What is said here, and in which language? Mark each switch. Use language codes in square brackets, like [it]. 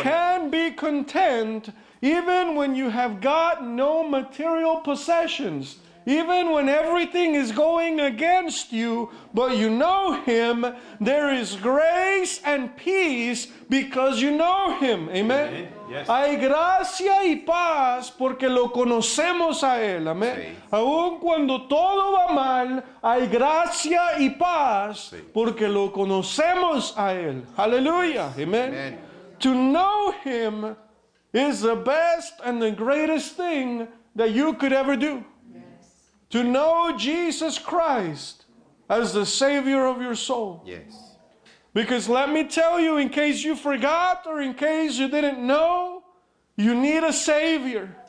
[en] Can be content even when you have got no material possessions, even when everything is going against you, but you know Him, there is grace and peace because you know Him. Amen? Amen. Yes. [es] Hay gracia y paz porque lo conocemos a Él. Amen. Sí. Aun cuando todo va mal, hay gracia y paz sí. porque lo conocemos a Él. Hallelujah. [en] Yes. Amen. Amen. To know Him is the best and the greatest thing that you could ever do. To know Jesus Christ as the Savior of your soul. Yes. Because let me tell you, in case you forgot or in case you didn't know, you need a Savior.